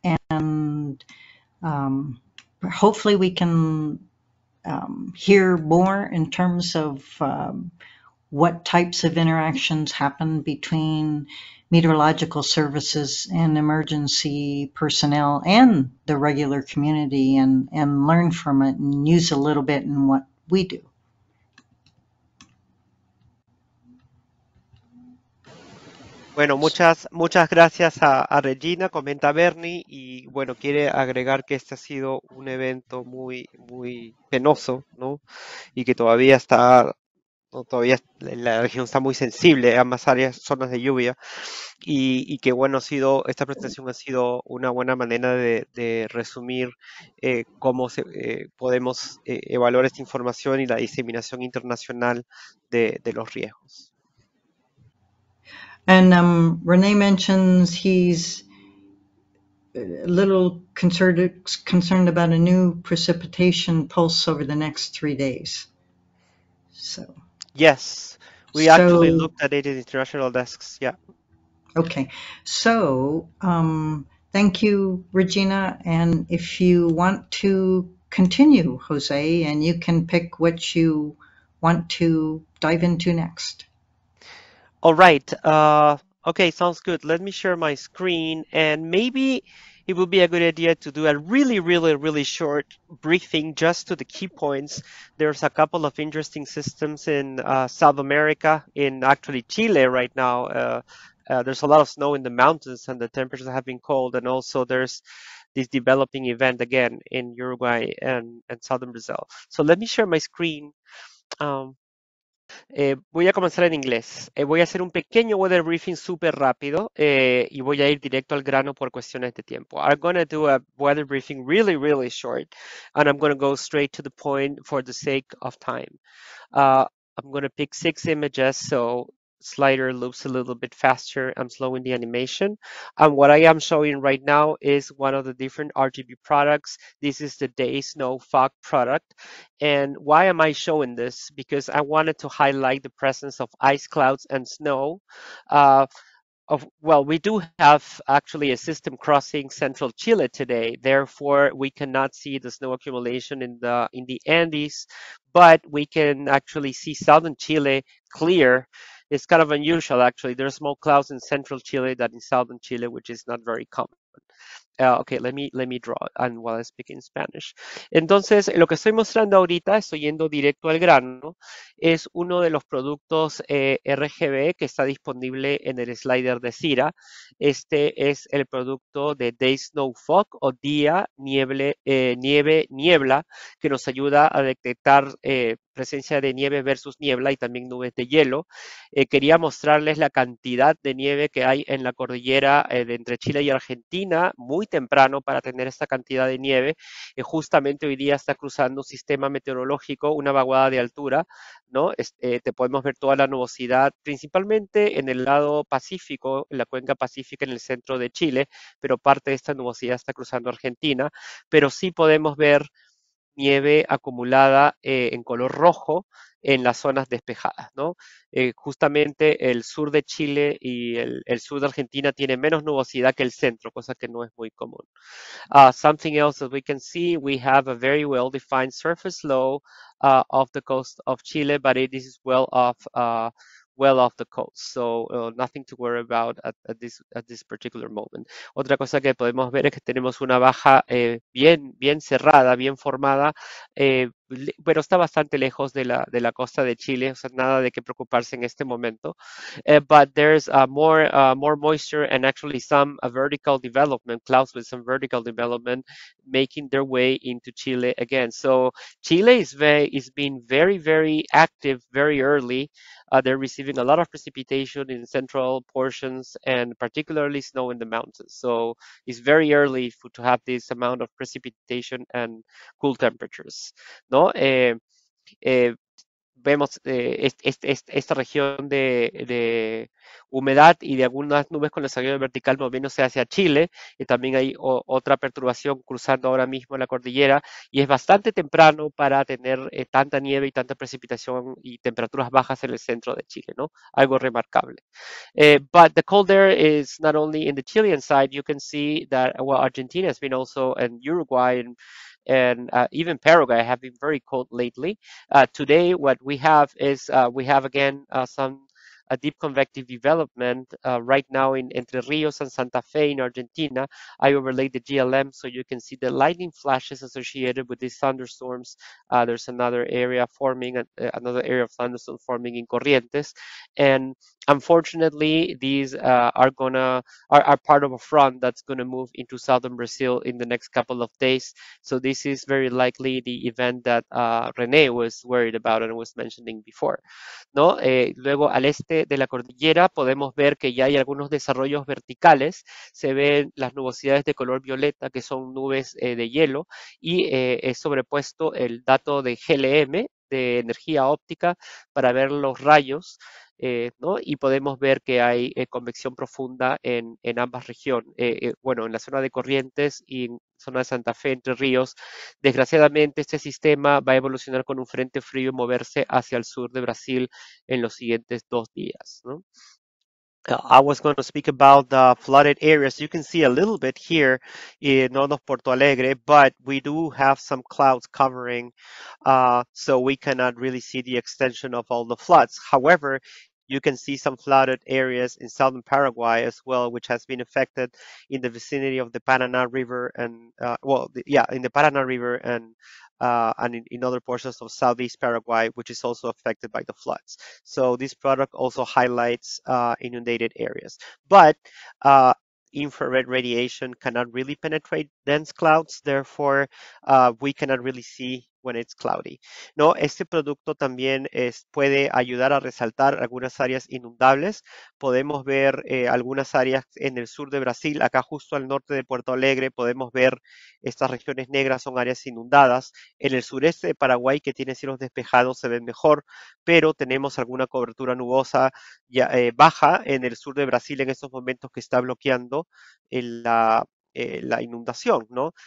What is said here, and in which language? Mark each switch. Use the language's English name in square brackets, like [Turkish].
[English] And hopefully we can hear more in terms of what types of interactions happen between meteorological services and emergency personnel and the regular community and learn from it and use a little bit in what we do. [Spanish] Bueno, muchas gracias a Regina, comenta Bernie, y bueno, quiere agregar que este ha sido un evento muy, muy penoso, ¿no? Y que todavía está, ¿no? Todavía la región está muy sensible, ambas áreas, zonas de lluvia, y que bueno, ha sido, esta presentación ha sido una buena manera de resumir cómo se, podemos evaluar esta información y la diseminación internacional de los riesgos. [English] And Rene mentions he's a little concerned about a new precipitation pulse over the next 3 days. So. Yes, we actually looked at it in international desks, yeah. Okay, so thank you, Regina. And if you want to continue, Jose, and you can pick what you want to dive into next. All right. Okay, sounds good. Let me share my screen. And maybe it would be a good idea to do a really, really, really short briefing just to the key points. There's a couple of interesting systems in South America, in actually Chile right now. There's a lot of snow in the mountains and the temperatures have been cold. And also there's this developing event again in Uruguay and Southern Brazil. So let me share my screen. [Spanish] Voy a comenzar en inglés. Voy a hacer un pequeño weather briefing súper rápido y voy a ir directo al grano por cuestiones de tiempo. [English] I'm going to do a weather briefing really, really short, and I'm going to go straight to the point for the sake of time. I'm going to pick 6 images, so slider loops a little bit faster. I'm slowing the animation. And what I am showing right now is one of the different RGB products. This is the Day Snow Fog product. And why am I showing this? Because I wanted to highlight the presence of ice clouds and snow. Well, we do have actually a system crossing central Chile today. Therefore, we cannot see the snow accumulation in the Andes, but we can actually see southern Chile clear. It's kind of unusual, actually. There's more clouds in central Chile than in southern Chile, which is not very common. Okay, let me draw, and while I speak in Spanish. [Spanish] Entonces, lo que estoy mostrando ahorita, estoy yendo directo al grano, es uno de los productos RGB que está disponible en el slider de Cira. Este es el producto de Day Snow Fog, o día nieble, nieve niebla, que nos ayuda a detectar presencia de nieve versus niebla y también nubes de hielo. Quería mostrarles la cantidad de nieve que hay en la cordillera de entre Chile y Argentina, muy temprano para tener esta cantidad de nieve. Justamente hoy día está cruzando un sistema meteorológico, una vaguada de altura, ¿no? Te podemos ver toda la nubosidad, principalmente en el lado pacífico, en la cuenca pacífica en el centro de Chile, pero parte de esta nubosidad está cruzando Argentina. Pero sí podemos ver nieve acumulada en color rojo en las zonas despejadas, ¿no? Justamente el sur de Chile y el sur de Argentina tiene menos nubosidad que el centro, cosa que no es muy común. [English] Something else that we can see, we have a very well-defined surface low off the coast of Chile, but it is well off the coast, so nothing to worry about at this particular moment. [Spanish] Otra cosa que podemos ver es que tenemos una baja bien cerrada, bien formada, pero está bastante lejos de la costa de Chile, o sea, nada de qué preocuparse en este momento. [English] But there's more moisture and actually some vertical development, clouds with some vertical development making their way into Chile again. So Chile is being very, very active very early. They're receiving a lot of precipitation in central portions and particularly snow in the mountains. So it's very early to have this amount of precipitation and cool temperatures. [Spanish] No? Vemos esta región de humedad y de algunas nubes con el salido vertical moviéndose hacia Chile, y también hay otra perturbación cruzando ahora mismo la cordillera, y es bastante temprano para tener tanta nieve y tanta precipitación y temperaturas bajas en el centro de Chile, ¿no? Algo remarcable. [English] But the cold air is not only in the Chilean side. You can see that, well, Argentina has been also in Uruguay and even Paraguay have been very cold lately. Today, what we have is we have again some deep convective development right now in Entre Ríos and Santa Fe in Argentina. I overlaid the GLM so you can see the lightning flashes associated with these thunderstorms. There's another area forming, another area of thunderstorm forming in Corrientes. And unfortunately, these are part of a front that's going to move into southern Brazil in the next couple of days. So this is very likely the event that René was worried about and was mentioning before. [Spanish] No, luego al este de la cordillera podemos ver que ya hay algunos desarrollos verticales. Se ven las nubosidades de color violeta, que son nubes de hielo, y es sobrepuesto el dato de GLM, de energía óptica, para ver los rayos. ¿No? Y podemos ver que hay convección profunda en ambas regiones, bueno, en la zona de Corrientes y en zona de Santa Fe, Entre Ríos. Desgraciadamente, este sistema va a evolucionar con un frente frío y moverse hacia el sur de Brasil en los siguientes 2 días, ¿no? [English] I was going to speak about the flooded areas. You can see a little bit here in north of Porto Alegre, but we do have some clouds covering, so we cannot really see the extension of all the floods. However, You can see some flooded areas in southern Paraguay as well, which has been affected in the vicinity of the Paraná River and in the Paraná River and in other portions of southeast Paraguay, which is also affected by the floods. So this product also highlights inundated areas, but infrared radiation cannot really penetrate dense clouds, therefore we cannot really see when it's cloudy. [Spanish] No, este producto también puede ayudar a resaltar algunas áreas inundables. Podemos ver algunas áreas en el sur de Brasil, acá justo al norte de Puerto Alegre, podemos ver estas regiones negras, son áreas inundadas. En el sureste de Paraguay, que tiene cielos despejados, se ven mejor, pero tenemos alguna cobertura nubosa ya, baja en el sur de Brasil en estos momentos que está bloqueando en la inundación, ¿no?